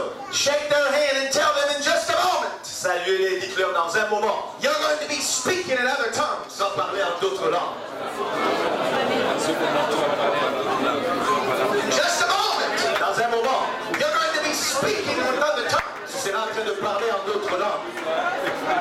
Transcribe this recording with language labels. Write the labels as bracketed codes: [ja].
[en] Shake their hand and tell them in just a moment. [fr] Saluez-les et dites-leur dans un moment. [en] You're going to be speaking in other tongues. [fr] Sans parler en d'autres langues. [en] In just a moment. [fr] Dans un moment. [en] You're going to be speaking with other tongues. [fr] Tu seras en train de parler en d'autres langues.